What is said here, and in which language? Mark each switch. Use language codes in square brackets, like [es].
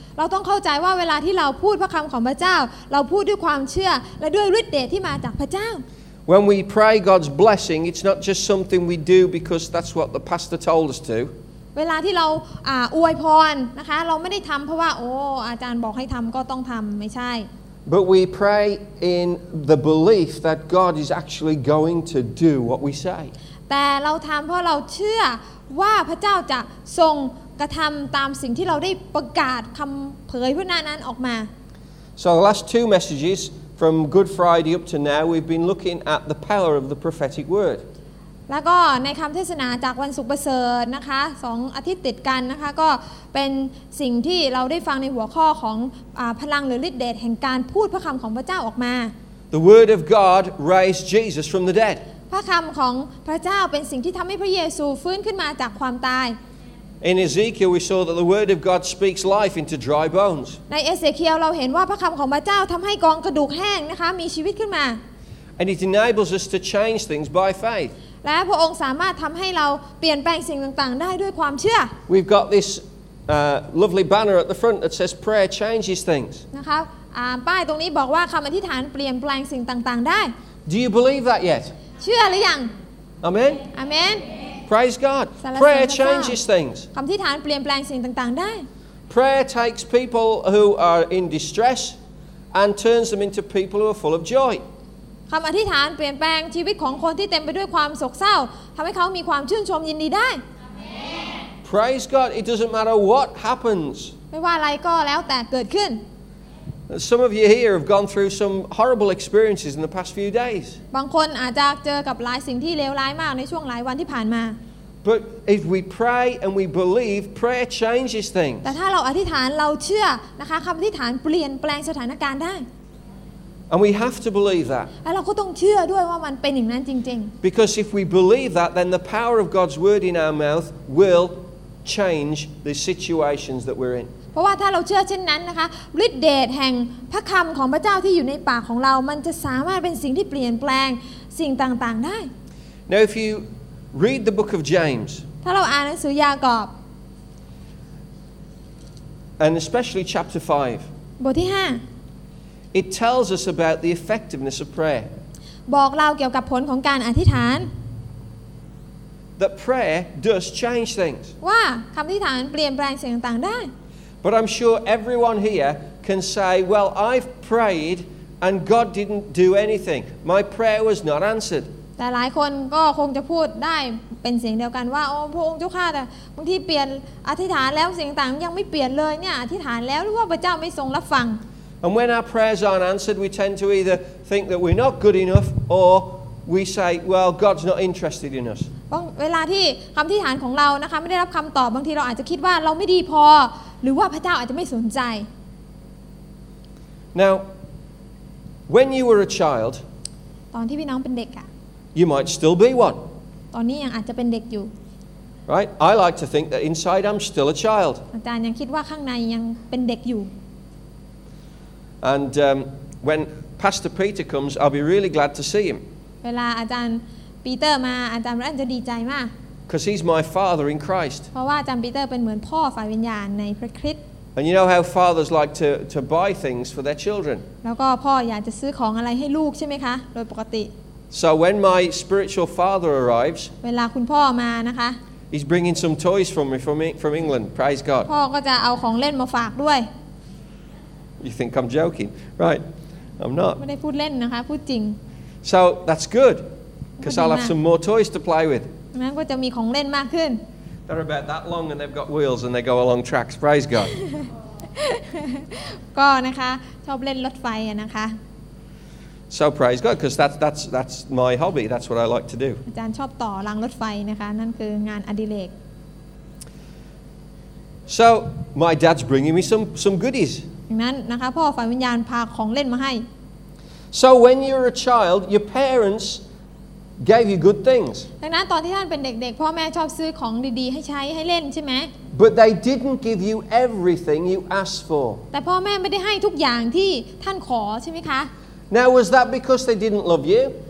[th] เราต้องเข้าใจว่าเวลาที่เราพูดพระคำของพระเจ้าเราพูดด้วยความเชื่อและด้วยฤทธิ์เดชที่มาจากพระเจ้า [en] When we pray God's blessing, it's not just something we do because that's what the pastor told us to. [th] เวลาที่เราอวยพรนะคะเราไม่ได้ทำเพราะว่าโอ้อาจารย์บอกให้ทำก็ต้องทำไม่ใช่ [en] But we pray in the belief that God is actually going to do what we say. [th] แต่เราทำเพราะเราเชื่อว่าพระเจ้าจะทรงกระทำตามสิ่งที่เราได้ประกาศคำเผยพระนั้นออกมา [en] So the last two messagesFrom Good Friday up to now, we've been looking at the power of the prophetic word. [th] แล้วก็ในคำเทศนาจากวันศุกร์ประเสริฐนะคะสองอาทิตย์ติดกันนะคะก็เป็นสิ่งที่เราได้ฟังในหัวข้อของพลังหรือฤทธิ์เดชแห่งการพูดพระคำของพระเจ้าออกมา [en] The word of God raised Jesus from the dead. [th] พระคำของพระเจ้าเป็นสิ่งที่ทำให้พระเยซูฟื้นขึ้นมาจากความตาย [en] In Ezekiel, we saw that the word of God speaks life into dry bones. [th] ในเอเสเคียลเราเห็นว่าพระคำของพระเจ้าทำให้กองกระดูกแห้งนะคะมีชีวิตขึ้นมา [en] And it enables us to change things by faith. [th] และพระองค์สามารถทำให้เราเปลี่ยนแปลงสิ่งต่างๆได้ด้วยความเชื่อ [en] We've got this lovely banner at the front that says prayer changes things. [th] นะคะป้ายตรงนี้บอกว่าคำอธิษฐานเปลี่ยนแปลงสิ่งต่างๆได้ [en] Do you believe that yet? [th] เชื่อหรือยัง [en] Amen. Amen. Praise God. Prayer changes things. [th] คำที่ฐานเปลี่ยนแปลงสิ่งต่างๆได้ [en] Prayer takes people who are in distress and turns them into people who are full of joy. [th] คำอธิษฐานเปลี่ยนแปลงชีวิตของคนที่เต็มไปด้วยความโศกเศร้าทำให้เขามีความชื่นชมยินดีได้ [en] Praise God. It doesn't matter what happens. [th] ไม่ว่าอะไรก็แล้วแต่เกิดขึ้น [en] Some of you here have gone through some horrible experiences in the past few days. [th] บางคนอาจจะเจอกับหลายสิ่งที่เลวร้ายมากในช่วงหลายวันที่ผ่านมา [en] But if we pray and we believe, prayer changes things. [th] แต่ถ้าเราอธิษฐานเราเชื่อนะคะคำอธิษฐานเปลี่ยนแปลงสถานการณ์ได้ [en] And we have to believe that. [th] และเราก็ต้องเชื่อด้วยว่ามันเป็นอย่างนั้นจริง [en] ๆ Because if we believe that, then the power of God's word in our mouth will change the situations that we're in. [th] เพราะว่าถ้าเราเชื่อเช่นนั้นนะคะฤทธิ์เดชแห่งพระคำของพระเจ้าที่อยู่ในปากของเรามันจะสามารถเป็นสิ่งที่เปลี่ยนแปลงสิ่งต่างๆได้ [en] Now if you read the book of James [th] ถ้าเราอ่านหนังสือยากอบ [en] and especially chapter 5 [th] บทที่5 [en] it tells us about the effectiveness of prayer [th] บอกเราเกี่ยวกับผลของการอธิษฐาน [en] that prayer does change things [th] ว่าคำอธิษฐานเปลี่ยนแปลงสิ่งต่างๆได้ [en] But I'm sure everyone here can say, "Well, I've prayed, and God didn't do anything. My prayer was not answered." [th] แต่หลายคนก็คงจะพูดได้เป็นเสียงเดียวกันว่าโอ้พระองค์เจ้าข้าแต่บางทีเปลี่ยนอธิษฐานแล้วสิ่งต่างยังไม่เปลี่ยนเลยเนี่ยอธิษฐานแล้วหรือว่าพระเจ้าไม่ทรงรับฟัง [en] And when our prayers aren't answered, we tend to either think that we're not good enough, or we say, "Well, God's not interested in us." [th] เวลาที่คำอธิษฐานของเรานะคะไม่ได้รับคำตอบบางทีเราอาจจะคิดว่าเราไม่ดีพอหรือว่าพระเจ้าอาจจะไม่สนใจ [en] Now when you were a child [th] ตอนที่พี่น้องเป็นเด็กอะ [en] You might still be one [th] ตอนนี้ยังอาจจะเป็นเด็กอยู่ [en] Right? I like to think that inside I'm still a child. [th] อาจารย์ยังคิดว่าข้างในยังเป็นเด็กอยู่ [en] And when Pastor Peter comes, I'll be really glad to see him. [th] เวลาอาจารย์ปีเตอร์มาอาจารย์จะดีใจมาก [en] Because he's my father in Christ. [th] เพราะว่าอาจารย์ปีเตอร์เป็นเหมือนพ่อฝ่ายวิญญาณในพระคริสต์ [en] And you know how fathers like to buy things for their children. [th] แล้วก็พ่ออยากจะซื้อของอะไรให้ลูกใช่ไหมคะโดยปกติ [en] So when my spiritual father arrives, [th] เวลาคุณพ่อมานะคะ [en] He's bringing some toys from England. Praise God. [th] พ่อก็จะเอาของเล่นมาฝากด้วย [en] You think I'm joking, right? I'm not. [th] ไม่ได้พูดเล่นนะคะพูดจริง [en] So that's good, because I'll have some more toys to play with. [th] งั้นก็จะมีของเล่นมากขึ้น [en] They're about that long and they've got wheels and they go along tracks. Praise God. [th] ก็นะคะชอบเล่นรถไฟนะคะ [en] So praise God, because that's my hobby. That's what I like to do. [th] อาจารย์ชอบต่อรางรถไฟนะคะนั่นคืองานอดิเรก [en] So my dad's bringing me some goodies. [th] นั้นนะคะพ่อฝ่ายวิญญาณพาของเล่นมาให้ [en] So when you're a child, your parents gave you good things. [th] ดังนั้นตอนที่ท่านเป็นเด็กๆพ่อแม่ชอบซื้อของดีๆให้ใช้ให้เล่นใช่ไหม [en] But they didn't give you everything you asked for. [th] แต่พ่อแม่ไม่ได้ให้ทุกอย่างที่ท่านขอใช่ไหมคะ [en] Now was that because they didn't love you?